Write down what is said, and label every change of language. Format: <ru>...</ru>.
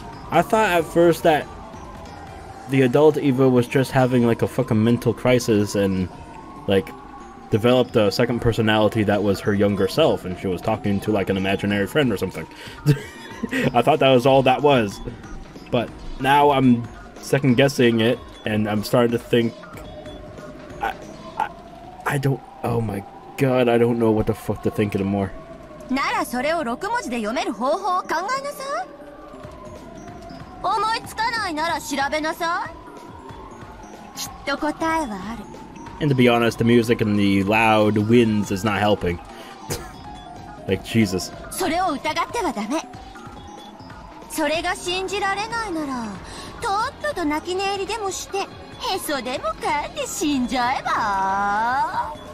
<en>I thought at first that. The adult Eva was just having like a fucking mental crisis and like developed a second personality that was her younger self and she was talking to like an imaginary friend or something. I thought that was all that was. But now I'm second guessing it and I'm starting to think. I don't. Oh my god, I don't know what the fuck to think anymore.</en> <ja>ならそれを六文字で読める方法を考えなさい。思いつかないなら調べなさい。きっと答えはある。</ja> <en>And to be honest, the music and the loud winds is not helping. Like, Jesus.</en> <ja>それを疑ってはダメ。それが信じられないなら、とっとと泣き寝入りでもして、へそでもかえて死んじゃえば。</ja>